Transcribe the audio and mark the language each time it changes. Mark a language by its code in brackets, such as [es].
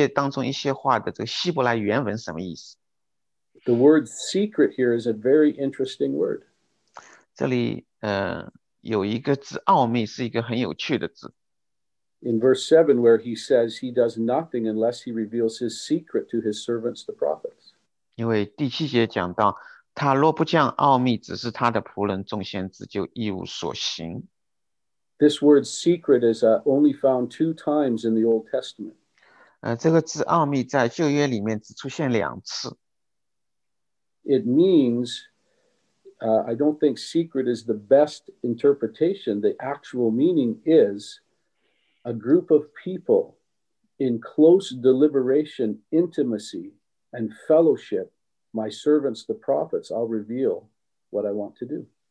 [zh] 我觉得圣灵在提醒我去查一下这些当中一些话的这个希伯来原文什么意思。 [en] The word secret here is a very interesting word. [zh] 这里有一个字奥秘是一个很有趣的字。 [en] In verse 7, where he says he does nothing unless he reveals his secret to his servants, the prophets. [zh] 因为第七节讲到, 他若不将奥秘指示他的仆人众先知，就一无所行。 [en] This word secret is only found two times in the Old Testament. [zh] 这个字奥秘在旧约里面只出现两次。 [en] It means, I don't think secret is the best interpretation. The actual meaning is a group of people in close deliberation, intimacy, and fellowship, my servants, the prophets, I'll reveal what I want to do.